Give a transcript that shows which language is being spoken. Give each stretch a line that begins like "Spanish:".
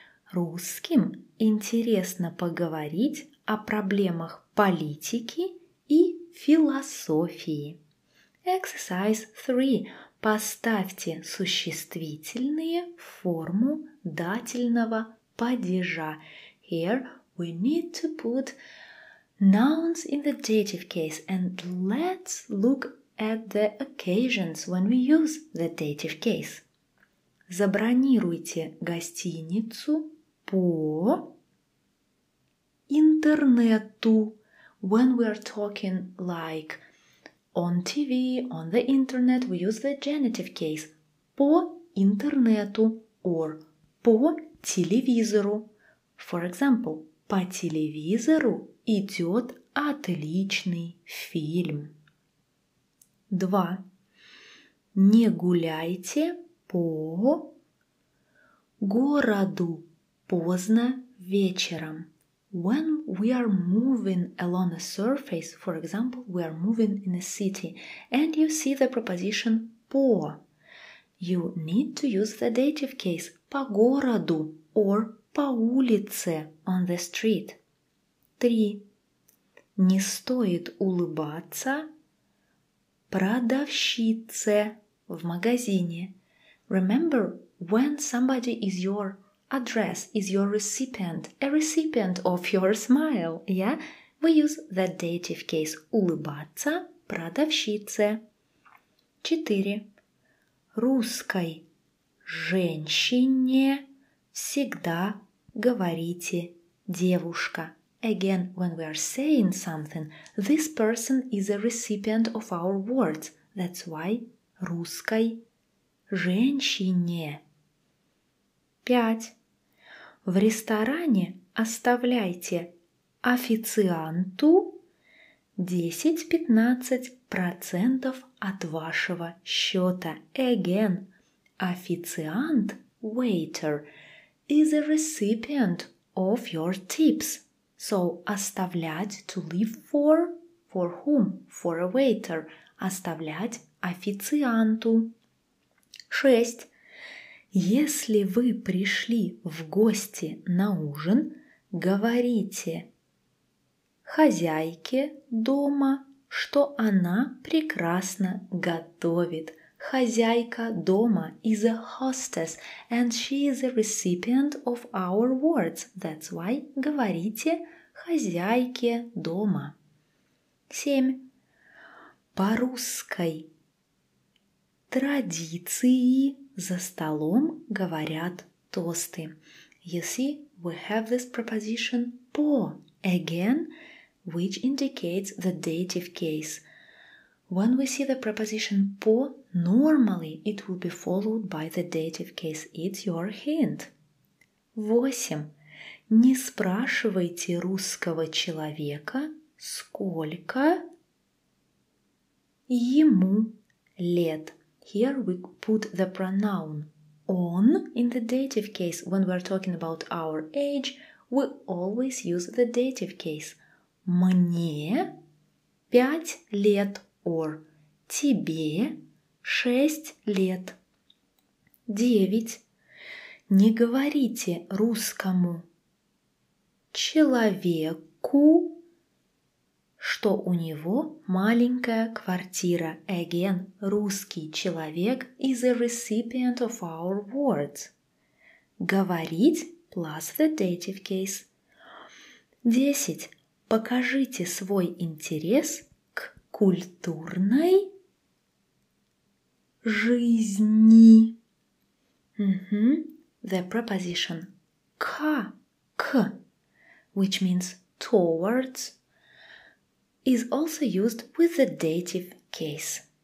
Russian: Русским интересно поговорить о проблемах политики и философии.
English: Exercise 3.
Russian: Поставьте существительные в форму дательного падежа.
English: Here we need to put nouns in the dative case, and let's look at the occasions when we use the dative case.
Russian: Забронируйте гостиницу по интернету.
English: When we are talking like on TV, on the internet, we use the genitive case.
Russian: По интернету or по телевизору.
English: For example,
Russian: по телевизору идет отличный фильм. 2. Не гуляйте по городу поздно вечером.
English: When we are moving along a surface, for example, we are moving in a city, and you see the preposition по, you need to use the dative case
Russian: по городу
English: or
Russian: по улице,
English: on the street. 3.
Russian: Не стоит улыбаться продавщице в магазине.
English: Remember, when somebody is your address, is your recipient, a recipient of your smile, yeah? We use the dative case
Russian: улыбаться продавщице.
English: 4.
Russian: Русской женщине всегда говорите девушка.
English: Again, when we are saying something, this person is a recipient of our words. That's why
Russian: русской женщине.
English: 5.
Russian: В ресторане оставляйте официанту 10-15% от вашего счета.
English: Again, официант, waiter, is a recipient of your tips. So, оставлять to leave for whom? For a waiter.
Russian: Оставлять официанту. 6. Если вы пришли в гости на ужин, говорите хозяйке дома, что она прекрасно готовит. Хозяйка дома
English: is a hostess, and she is a recipient of our words. That's why
Russian: говорите хозяйке дома. 7. По русской традиции за столом говорят тосты.
English: You see, we have this preposition по again, which indicates the dative case. When we see the preposition по, normally it will be followed by the dative case. It's your hint. 8.
Russian: Не спрашивайте русского человека, сколько ему лет.
English: Here we put the pronoun on in the dative case. When we are talking about our age, we always use the dative case.
Russian: Мне 5 лет, or тебе 6 лет. 9. Не говорите русскому человеку, что у него маленькая квартира.
English: Again,
Russian: русский человек
English: is a recipient of our words. Говорить plus the dative case. 10.
Russian: Покажите свой интерес к культурной жизни.
English: The preposition к, which means towards, is also used with the dative case.